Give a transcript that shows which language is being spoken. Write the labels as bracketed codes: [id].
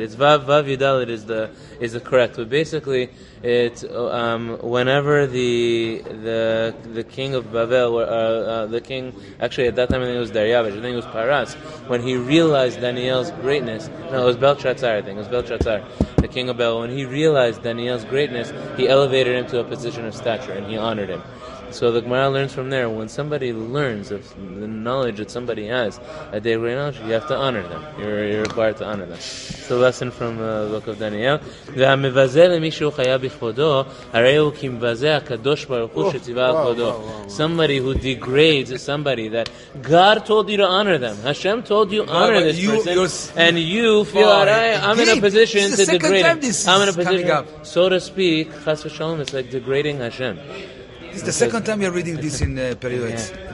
[en] It's Vav Yudalit is the correct. But basically, whenever the king of Babel, the king, actually at that time I think it was Daryavish, I think it was Paras, when he realized Daniel's greatness, no, it was Belshazzar, I think, it was Belshazzar, the king of Babel, when he realized Daniel's greatness, he elevated him to a position of stature and he honored him. So the Gemara learns from there, when somebody learns of the knowledge that somebody has, a day of great knowledge, you have to honor them. You're required to honor them. It's a lesson from the book of Daniel. [he] והמבזה למישהו חייב בכבודו, הרי הוא כמבזה הקדוש ברוך הוא שציווה על כבודו. [en] Somebody who degrades somebody that God told you to honor them. Hashem told you honor this person. And you feel that I'm in a position to degrade him. I'm in a position, so to speak, chas v'shalom, it's like degrading Hashem. It's the second time you're reading this in periods, yeah.